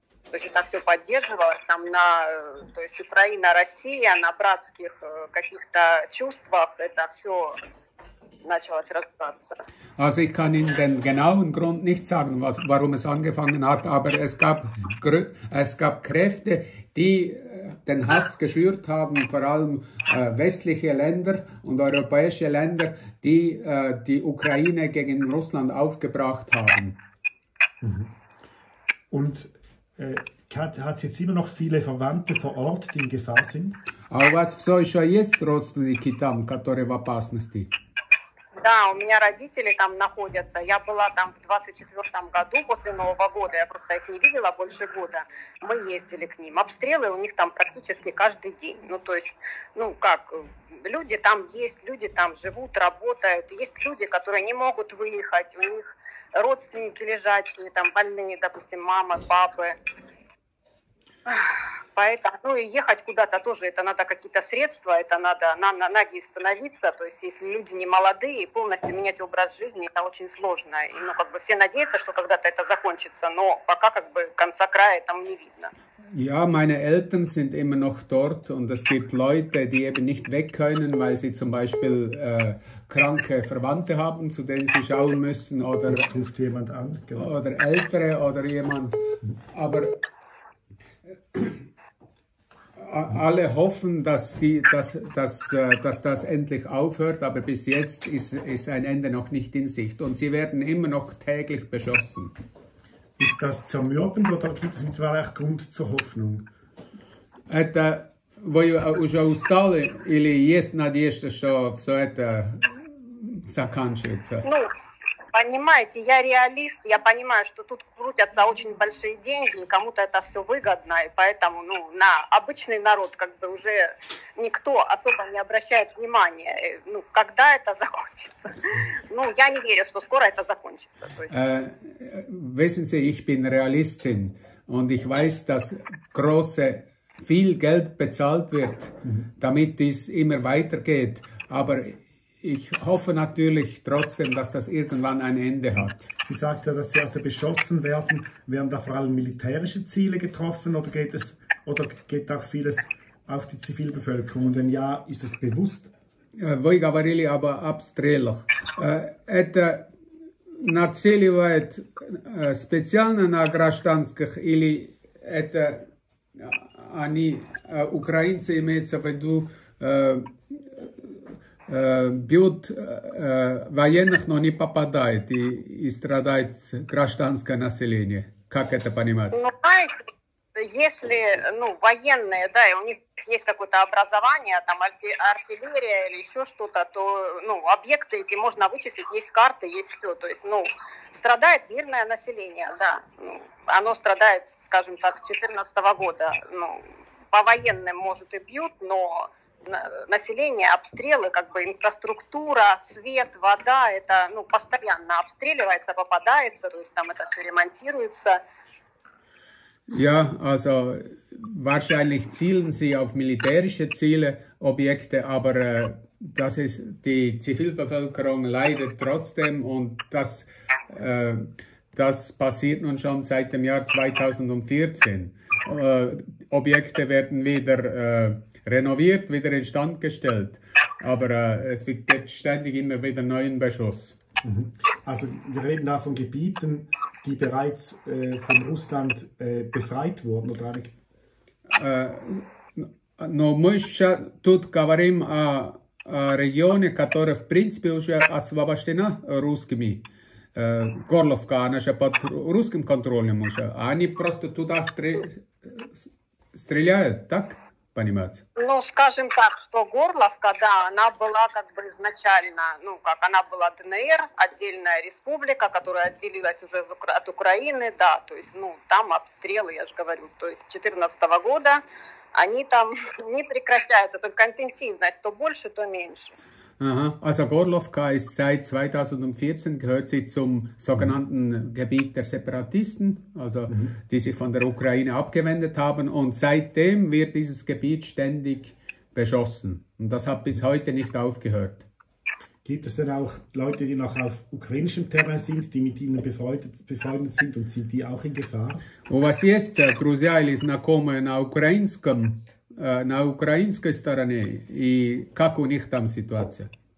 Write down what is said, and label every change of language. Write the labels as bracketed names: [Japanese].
[Russian] То есть это все поддерживалось там то есть Украина, Россия, на братских каких-то чувствах это все началось разбираться. [German] Also ich kann Ihnen den genauen Grund nicht sagen, warum es angefangen hat, aber es gab Kräfte, die den Hass geschürt haben, vor allem westliche Länder und europäische Länder, die die Ukraine gegen Russland aufgebracht haben. Und hat jetzt immer noch viele Verwandte vor Ort, die in Gefahr sind? [Russian] А у вас все еще есть родственники там, которые в опасности? Да, у меня родители там находятся. Я была там в 2024 году после Нового года. Я просто их не видела больше года. Мы ездили к ним. Обстрелы у них там практически каждый день. Ну, то есть, ну, как, люди там есть, люди там живут, работают. Есть люди, которые не могут выехать. У них родственники лежачие, там больные, допустим, мамы, папы. Поэтому, ну и ехать куда-то тоже, это надо какие-то средства, это надо на ноги становиться, то есть если люди не молодые, полностью менять образ жизни, это очень сложно. И, ну, как бы все надеются, что когда-то это закончится, но пока как бы конца края там не видно. [German] Ja, meine Eltern sind immer noch dort und es gibt Leute, die eben nicht weg können, weil sie zum Beispiel kranke Verwandte haben, zu denen sie schauen müssen Oder ruft jemand an, genau. oder Ältere oder jemand. Aber alle hoffen, dass das endlich aufhört, aber bis jetzt ist ein Ende noch nicht in Sicht und sie werden immer noch täglich beschossen. Ist das zermürbend oder gibt es mittlerweile auch Grund zur Hoffnung? [Russian] Это вы уже устали или есть надежда, что все это заканчивается? Ну, понимаете, я реалист, я понимаю, что тут крутятся очень большие деньги, кому-то это все выгодно, и поэтому, ну, на обычный народ как бы уже никто особо не обращает внимания. Ну, когда это закончится? Ну, я не верю, что скоро это закончится. То есть [German] Wissen Sie, ich bin Realistin und ich weiß, dass viel Geld bezahlt wird, damit dies immer weitergeht. Aber ich Ich hoffe natürlich trotzdem, dass das irgendwann ein Ende hat. Sie sagte, dass sie also beschossen werden. Werden da vor allem militärische Ziele getroffen oder geht auch vieles auf die Zivilbevölkerung? Und wenn ja, ist das bewusst? [Russian] Вы говорили об обстрелах. Это нацеливает специально на гражданских или это они, украинцы имеются в виду, бьют военных, но не попадают и страдает гражданское население. Как это понимать? Ну, если военные, да, и у них есть какое-то образование, там артиллерия или еще что-то, то объекты эти можно вычислить, есть карты, есть все. То есть, страдает мирное население, да. Оно страдает, скажем так, с 2014 года. По военным, может, и бьют, но население, обстрелы, инфраструктура, свет, вода, это постоянно обстреливается, попадается, то есть там это все ремонтируется. [German] Ja, also wahrscheinlich zielen sie auf militärische Ziele, Objekte, aber das ist, die Zivilbevölkerung leidet trotzdem und das passiert nun schon seit dem Jahr 2014. Objekte werden wieder renoviert, wieder instand gestellt, aber es gibt ständig immer wieder neuen Beschuss. Also wir reden da von Gebieten, die bereits von Russland befreit wurden, oder eigentlich? [Russian] Но мы тут говорим о регионе, которая в принципе уже освобождена русскими. Горловка, она же под русским контролем уже. А они просто туда стреляют, так? Понимать. Ну, скажем так, что Горловка, да, она была изначально, она была ДНР, отдельная республика, которая отделилась уже от Украины, да, то есть, там обстрелы, я же говорю, то есть, с 2014 года, они там не прекращаются, только интенсивность то больше, то меньше. [German] Ага, also Горловка ist seit 2014 gehört sie zum sogenannten Gebiet der Separatisten, also die sich von der Ukraine abgewendet haben und seitdem wird dieses Gebiet ständig beschossen und das hat bis heute nicht aufgehört. Gibt es denn auch Leute, die noch auf ukrainischem Terrain sind, die mit ihnen befreundet sind und sind die auch in Gefahr? [Russian] У вас есть друзья или знакомые на украинском? На украинской стороне, и как у них там ситуация?